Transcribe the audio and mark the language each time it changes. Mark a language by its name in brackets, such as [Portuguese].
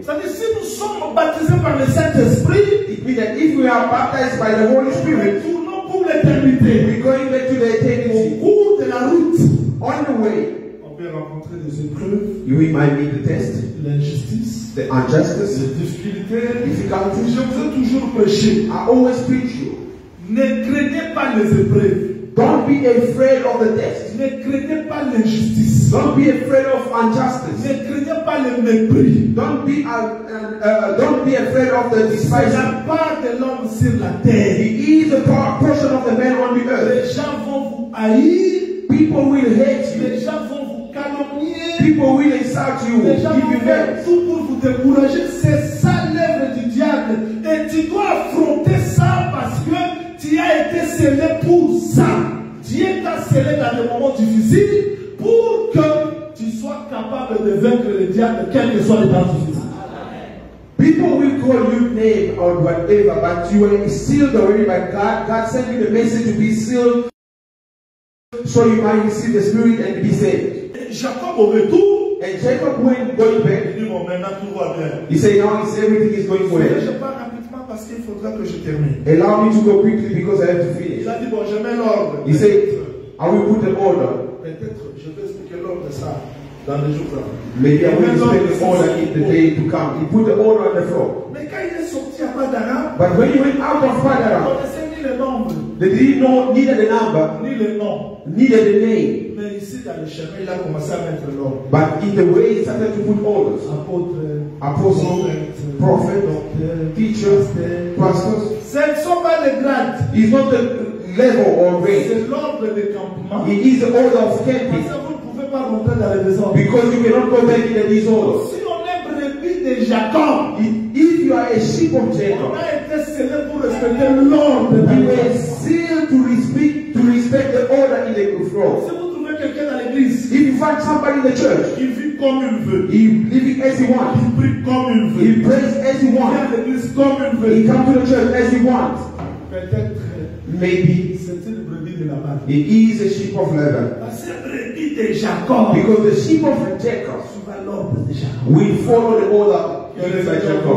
[French] C'est-à-dire si nous sommes baptisés par le Saint-Esprit, [English] it means that if we are baptized by the Holy Spirit, [French] nous retournons pour l'éternité. [English] We're going back to the eternity. [French] Au cours de la route, [English] on the way, [French] rencontrer des épreuves, [English] you might meet the test, [French] l'injustice, [English] the injustice, [French] les difficultés, [English] difficulties. [French] Je vous ai toujours prêché. [English] I always preach you. [French] Ne craignez pas les épreuves. [English] Don't be afraid of the test. [French] Ne craignez pas l'injustice. [English] Don't be afraid of injustice. [French] Ne craignez pas le mépris. [English] Don't be afraid of the despise. [French] La part de l'homme sur la terre. [English] He is the portion of the man on the earth. [French] Les gens vont vous haïr. [English] People will hate you. [French] Les gens vont vous calomnier. [English] People will insult you. [French] Les gens vont faire tout pour vous décourager. C'est ça l'œuvre du diable. Et tu dois affronter ça parce que tu as été scellé pour ça. Dieu t'a scellé dans des moments difficiles pour que tu sois capable de vaincre le diable, quel que soit le temps difficile. [English] People will call you name or whatever, but you are sealed already by God. God sent you the message to be sealed so you might receive the Spirit and be saved. [French] Jacob au retour, [English] and Jacob went going back. [French] Il dit, bon, maintenant tout va bien. [English] He said, now he said, everything is going well. [French] Je pars rapidement parce qu'il faudra que je termine. [English] Allow me to go quickly because I have to finish. [French] Il a dit, bon, je mets l'ordre. [English] He [French] peut-être, [English] said, I will put the order. [French] Peut-être, je vais expliquer l'ordre de ça dans les jours à venir. [English] Maybe I will explain the order in the day to come. He put the order on the floor. [French] Mais quand il est sorti à Padana, [English] but when he went out of Padana, [French] il ne connaissait ni le nombre. [English] They didn't know neither the number, [French] ni le nom, [English] neither the name. [French] Mais ici, dans le chemin, il a commencé à mettre l'ordre. [English] But in the way, he started to put orders. [French] Apôtre, [English] apostle, prophet, teachers, pastors. [French] Ce ne sont pas les grades. [English] It's not the level or rank. [French] C'est l'ordre de campement. [English] It is the order of camping. [French] Parce que vous ne pouvez pas rentrer dans le désordre. [English] Because you cannot go back in the disorder. [French] Si on est brebis de Jacob, [English] if you are a sheep of Jacob, [French] on a été scellé pour respecter l'ordre. [English] We were sealed to respect the order in the throne. If you find somebody in the church, [French] il vit comme il veut. [English] He living as he wants. [French] Il prie comme il veut. [English] He prays as he wants. [French] Il vient à l'église comme il veut. [English] He comes to the church as he wants. [French] Peut-être, [English] maybe, [French] c'est une brebis de la main. [English] It is a sheep of leather. [French] Parce que brebis de Jacob. [English] Because the sheep of Jacob, [French] souvent l'ordre de Jacob, [English] we follow the order given by Jacob.